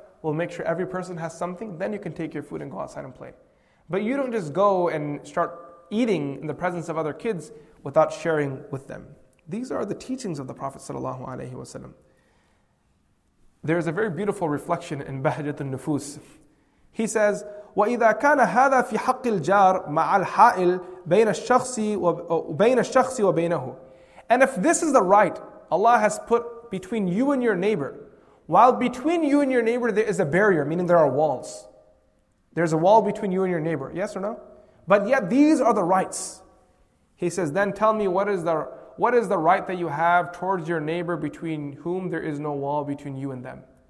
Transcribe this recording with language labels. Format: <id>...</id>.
<en>We'll make sure every person has something, then you can take your food and go outside and play. But you don't just go and start eating in the presence of other kids without sharing with them. These are the teachings of the Prophet sallallahu alaihi wasallam. There is a very beautiful reflection in Bahjat al-Nufus. He says,</en> <ar>وَإِذَا كَانَ هَذَا فِي حَقِّ الْجَارِ مَعَ الْحَائِلِ بَيْنَ الشَّخْصِ وَبَيْنَهُ.</ar> <en>And if this is the right Allah has put between you and your neighbor, while between you and your neighbor there is a barrier, meaning there are walls. There's a wall between you and your neighbor. Yes or no? But yet these are the rights. He says, then tell me what is the right that you have towards your neighbor between whom there is no wall between you and them.</en>